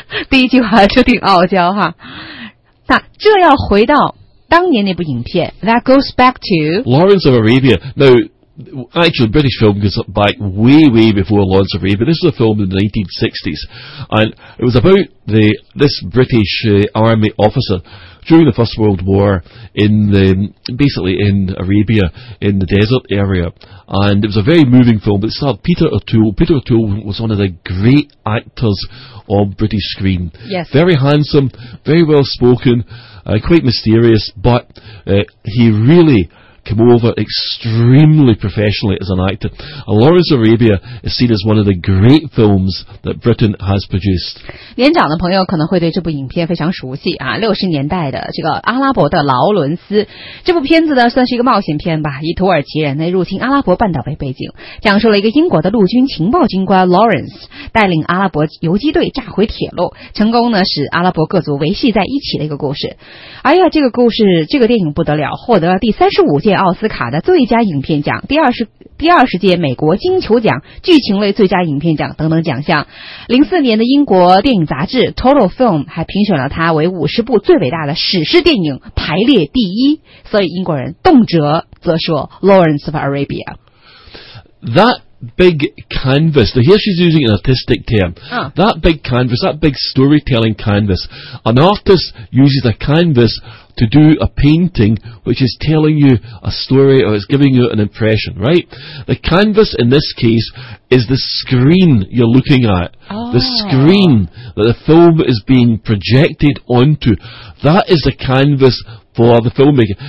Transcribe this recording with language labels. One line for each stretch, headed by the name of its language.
Chinese: 第一句话就挺傲娇哈，那这要回到当年那部影片 ，
English: That goes back to Lawrence of Arabia now. Actually, British film goes back way, way before Lawrence of Arabia. This was a film in the 1960s. And it was about this British army officer during the First World War in Arabia, in the desert area. And it was a very moving film. It starred Peter O'Toole. Peter O'Toole was one of the great actors on British screen. Yes. Very handsome, very well spoken, quite mysterious, but he really... come over extremely professionally as an actor. And Lawrence of Arabia is seen as one of the great films that Britain has produced.
Chinese: 年长的朋友可能会对这部影片非常熟悉啊，60年代的这个阿拉伯的劳伦斯。这部片子呢算是一个冒险片吧，以土耳其人的入侵阿拉伯半岛为背景，讲述了一个英国的陆军情报军官 Lawrence 带领阿拉伯游击队炸毁铁路，成功呢使阿拉伯各族维系在一起的一个故事。哎呀，这个故事，这个电影不得了，获得了第35届届奥斯卡的最佳影片奖，第二十届美国金球奖剧情类最佳影片奖等等奖项。 04年的英国电影杂志 Total Film 还评选了它为50部最伟大的史诗电影，排列第一。所以英国人动辄则说 Lawrence of Arabia。
English: That big canvas, now here she's using an artistic term,、that big canvas, that big storytelling canvas, an artist uses a canvas to do a painting which is telling you a story or it's giving you an impression, right? The canvas in this case is the screen you're looking at,、the screen that the film is being projected onto, that is the canvas for the filmmaker.